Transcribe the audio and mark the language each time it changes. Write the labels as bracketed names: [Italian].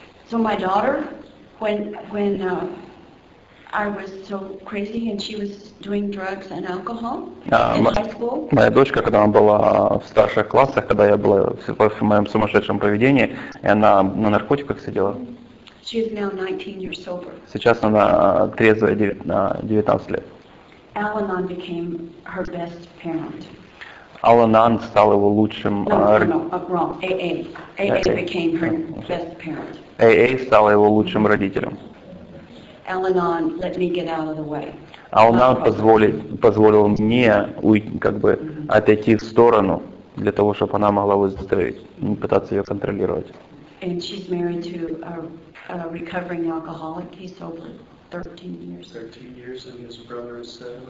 [English] So my daughter, when I was so crazy and she was doing drugs and alcohol in high school. [Russian] Моя дочка, когда она была в старших классах, когда я была в моем сумасшедшем поведении, и она на наркотиках сидела. [English] She is now 19 years sober. [Russian] Сейчас она трезвая на 19 лет. [English] Al-Anon became her best parent. [Russian] Al-Anon стал его лучшим. [English] Wrong. AA. AA became her best parent. [Russian] AA стал его лучшим родителем. [English] Al-Anon let me get out of the way. [Russian] Al-Anon позволил мне уйти, как бы отойти в сторону для того, чтобы она могла выздороветь, пытаться ее контролировать. [English] And she's married to a recovering alcoholic. He's sober 13 years. 13 years, and his brother is 7.